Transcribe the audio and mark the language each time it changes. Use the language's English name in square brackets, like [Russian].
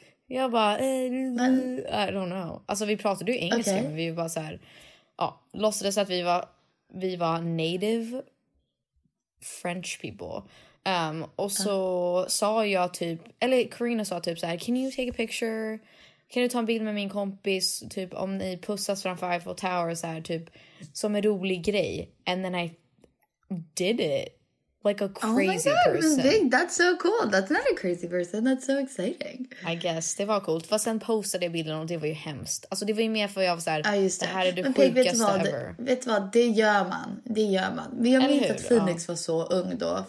[Swedish] Jag bara, [English] I don't know. [Swedish] Alltså vi pratade ju engelska, okay. Men vi var bara så här, låtsades att vi var native French people. Och så sa jag typ, eller Karina sa typ så här, [English] can you take a picture? [Swedish] Kan du ta en bild med min kompis typ om ni pussas framför Eiffel Tower så här typ som en rolig grej? [English] And then I did it like a crazy person. Oh my god, that's so cool. That's not a crazy person. That's so exciting. I guess [Swedish] det var coolt. Fast sen postade jag bilden och det var ju hemskt. Alltså det var ju mer för jag var så här, det här är du sjukaste ever. Vet du vad, det gör man. Men jag minns att Phoenix var så ung då.